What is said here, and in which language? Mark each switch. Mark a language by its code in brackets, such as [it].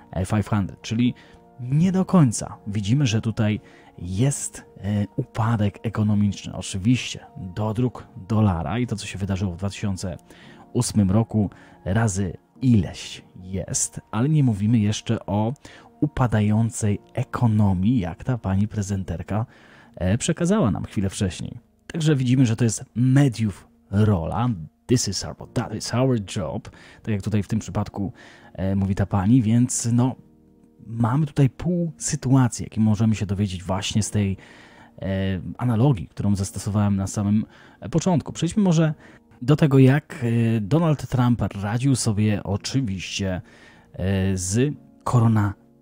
[pl] 500, czyli nie do końca widzimy, że tutaj jest upadek ekonomiczny, oczywiście dodruk dolara i to, co się wydarzyło w 2008 roku, razy ileś jest, ale nie mówimy jeszcze o upadającej ekonomii, jak ta pani prezenterka przekazała nam chwilę wcześniej. Także widzimy, że to jest mediów rola. [en] This is our, that is our job. [pl] Tak jak tutaj w tym przypadku mówi ta pani, więc no, mamy tutaj pół sytuacji, jakie możemy się dowiedzieć właśnie z tej analogii, którą zastosowałem na samym początku. Przejdźmy może do tego, jak Donald Trump radził sobie oczywiście z koronawirusem.